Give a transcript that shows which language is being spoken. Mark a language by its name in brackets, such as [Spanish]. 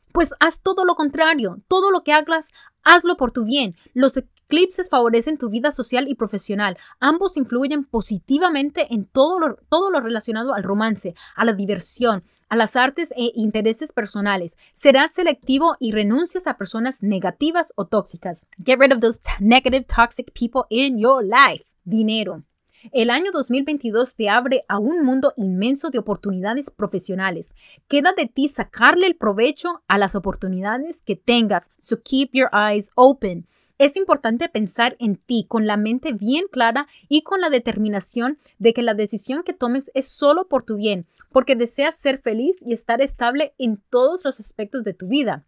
[Spanish] Pues haz todo lo contrario. Todo lo que hagas, hazlo por tu bien. Los eclipses favorecen tu vida social y profesional. Ambos influyen positivamente en todo lo relacionado al romance, a la diversión, a las artes e intereses personales. Serás selectivo y renuncias a personas negativas o tóxicas. [English] Get rid of those negative, toxic people in your life. [Spanish] Dinero. El año 2022 te abre a un mundo inmenso de oportunidades profesionales. Queda de ti sacarle el provecho a las oportunidades que tengas. [English] So keep your eyes open. [Spanish] Es importante pensar en ti con la mente bien clara y con la determinación de que la decisión que tomes es solo por tu bien, porque deseas ser feliz y estar estable en todos los aspectos de tu vida.